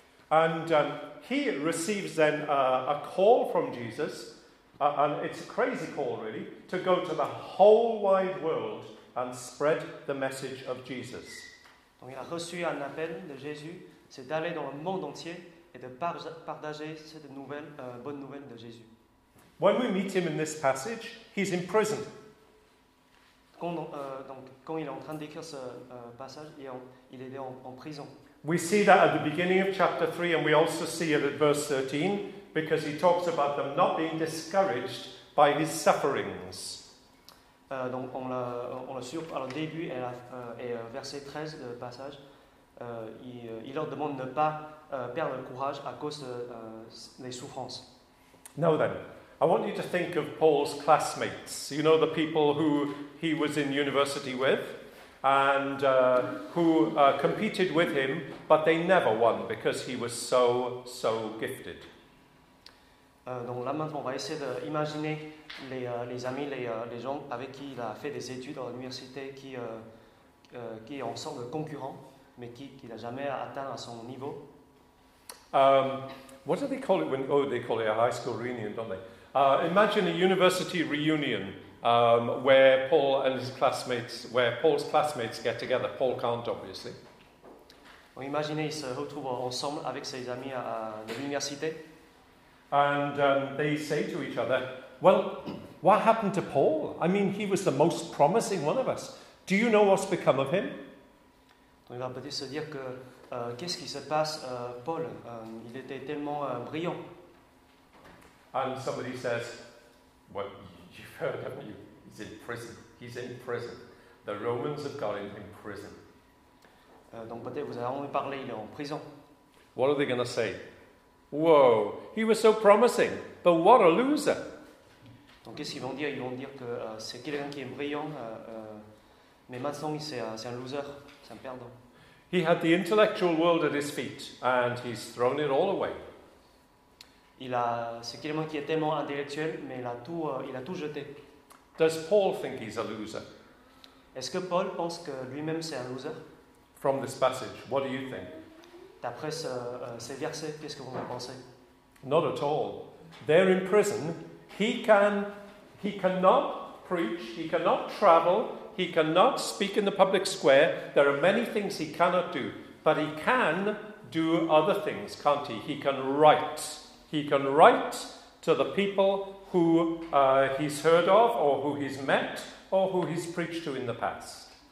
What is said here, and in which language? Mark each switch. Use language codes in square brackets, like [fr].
[en] And he receives then a call from Jesus. And it's a crazy call, really, to go to the whole wide world and spread the message of Jesus. [fr] Donc il a reçu un appel de Jésus, c'est d'aller dans le monde entier et de partager cette nouvelle, bonne nouvelle de Jésus. [en] When we meet him in this passage, he's in prison. [fr] Quand il est en train d'écrire ce passage, il est en prison. [en] We see that at the beginning of chapter 3, and we also see it at verse 13, because he talks about them not being discouraged by his sufferings. [fr] Donc on le suit au début et verset 13 de passage, il leur demande de ne pas perdre le courage à cause des souffrances. [en] Now then, I want you to think of Paul's classmates. You know, the people who he was in university with, and who competed with him, but they never won because he was so, so gifted. [fr] Donc là maintenant, on va essayer d'imaginer les amis, les gens avec qui il a fait des études à l'université, qui est en sorte de concurrent, mais qui n'a jamais atteint à son niveau. [en] What do they call it when, they call it a high school reunion, don't they? Imagine a university reunion. Where Paul and his classmates, where Paul's classmates get together. Paul can't, obviously. [fr] On imagine ils se retrouvent ensemble avec ses amis à l'université. [en] And they say to each other, well, what happened to Paul? I mean, he was the most promising one of us. Do you know what's become of him? [fr] Donc ils vont peut-être se dire que, qu'est-ce qui se passe, Paul? Il était tellement brillant. [en] And somebody says, well, you've heard, haven't you? He's in prison. He's in prison. The Romans have got him in prison. [fr] Donc peut-être vous avez entendu parler, il est en prison. [en] What are they going to say? Whoa, he was so promising, but what a loser. [fr] Donc qu'est-ce qu'ils vont dire? Ils vont dire que c'est quelqu'un qui est brillant, mais maintenant c'est un loser, c'est un perdant. [en] He had the intellectual world at his feet, and he's thrown it all away. [fr] C'est quelqu'un qui est tellement intellectuel, mais il a tout jeté. [en] Does Paul think he's a loser? [fr] Est-ce que Paul pense que lui-même c'est un loser? [en] From this passage, what do you think? [fr] D'après ces versets, qu'est-ce que vous en pensez? [en] Not at all. They're in prison. He cannot preach. He cannot travel. He cannot speak in the public square. There are many things he cannot do. But he can do other things, can't he? He can write. He can write to the people who he's heard of, or who he's met, or who he's preached to in the past.